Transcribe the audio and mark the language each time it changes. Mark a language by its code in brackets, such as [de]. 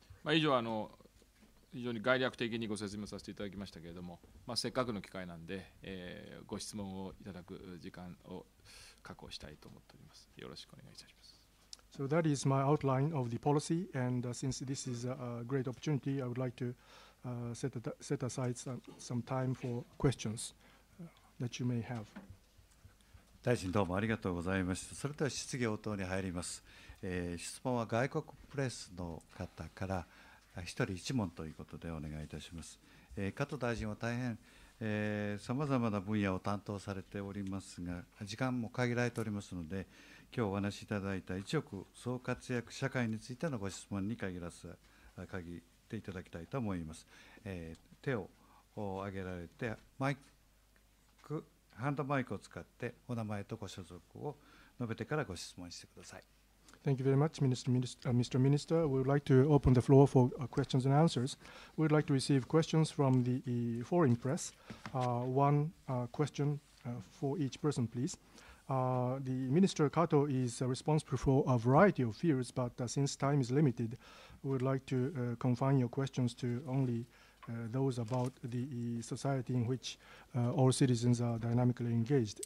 [ja] 以上は非常に概略的にご説明させていただきましたけれども、せっかくの機会なんで、ご質問をいただく時間を確保したいと思っております。よろしくお願いいたします。 [en] So that is my outline of the policy, and since this is a great opportunity, I would like to set aside some time for questions that you may have. [ja] 大臣どうもありがとうございました。それでは質疑応答に入ります。質問は外国プレスの方から一人一問ということでお願いいたします。加藤大臣は大変さまざまな分野を担当されておりますが、時間も限られておりますので、今日お話しいただいた一億総活躍社会についてのご質問に限らず限っていただきたいと思います。手を挙げられてマイクハンドマイクを使ってお名前とご所属を述べてからご質問してください。 [en] Thank you very much, Mr. Minister. We would like to open the floor for questions and answers. We would like to receive questions from the foreign press. One question for each person, please. The Minister Kato is responsible for a variety of fields, but since time is limited, we would like to confine your questions to only those about the society in which all citizens are dynamically engaged.